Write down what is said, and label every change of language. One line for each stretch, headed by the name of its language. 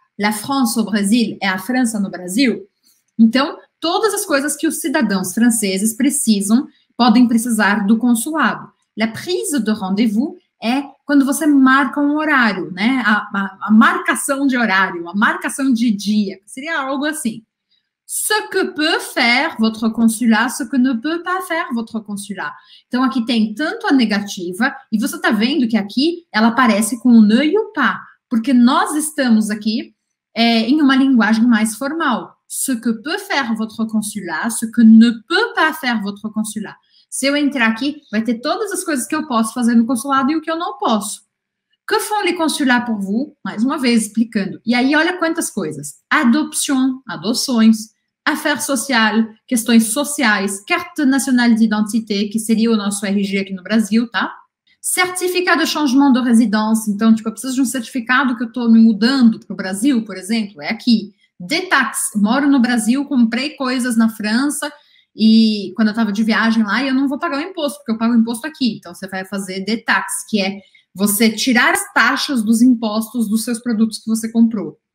French: La France au Brésil.
Portuguese: É a França no Brasil? Então, todas as coisas que os cidadãos franceses precisam, podem precisar do consulado.
French: La prise de rendez-vous
Portuguese: é quando você marca um horário, né? A marcação de horário, a marcação de dia. Seria algo assim.
French: Ce que peut faire votre consulat, ce que ne peut pas faire votre consulat.
Portuguese: Então, aqui tem tanto a negativa, e você está vendo que aqui ela aparece com o ne e o pas, porque nós estamos aqui em uma linguagem mais formal.
French: Ce que peut faire votre consulat, ce que ne peut pas faire votre consulat.
Portuguese: Se eu entrar aqui, vai ter todas as coisas que eu posso fazer no consulado e o que eu não posso.
French: Que font les consulats pour vous?
Portuguese: Mais uma vez, explicando. E aí, olha quantas coisas. Adoption, adoções.
French: Affaire sociale,
Portuguese: questões sociais.
French: Carte nationale d'identité,
Portuguese: que seria o nosso RG aqui no Brasil, tá?
French: Certificat de changement de résidence.
Portuguese: Então, tipo, eu preciso de um certificado que eu estou me mudando para o Brasil, por exemplo. É aqui. Detax, moro no Brasil, comprei coisas na França. E quando eu estava de viagem lá, eu não vou pagar o imposto, porque eu pago o imposto aqui. Então, você vai fazer detax, que é... você tirar as taxas dos impostos dos seus produtos que você comprou.